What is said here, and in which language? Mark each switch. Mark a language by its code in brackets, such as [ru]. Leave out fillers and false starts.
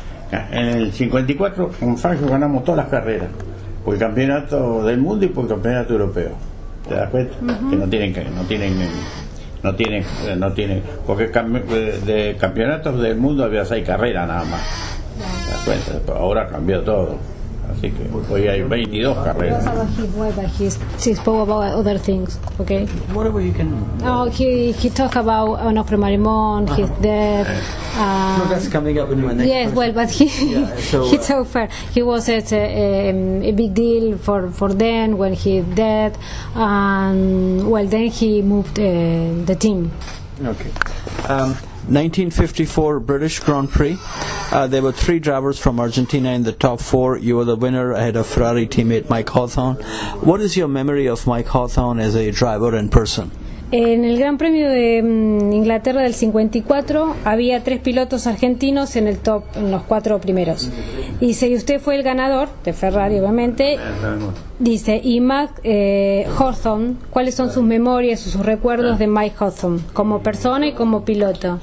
[es] En el 54 con Fangio ganamos todas las carreras por el campeonato del mundo y por el campeonato europeo, te das cuenta. Que no tienen, porque de campeonatos del mundo había 6 carreras nada más. ¿Te das cuenta? Ahora cambió todo, así que hoy hay 22 carreras. [en] He spoke about other things, okay? Whatever you can. Oh, he talked about Onofre Marimón, his death. That's coming up in my next. Yes, well, but he was at a big deal for them when he died, and well, then he moved the team. Okay. 1954 British Grand Prix. There were three drivers from Argentina in the top four. You were the winner ahead of Ferrari teammate Mike Hawthorn. What is your memory of Mike Hawthorn as a driver and person? [es] En el Gran Premio de Inglaterra del 54 había tres pilotos argentinos en el top, en los cuatro primeros. Dice, y usted fue el ganador de Ferrari, obviamente. Dice, y Mac Hawthorn, ¿cuáles son sus memorias o sus recuerdos de Mike Hawthorn como persona y como piloto?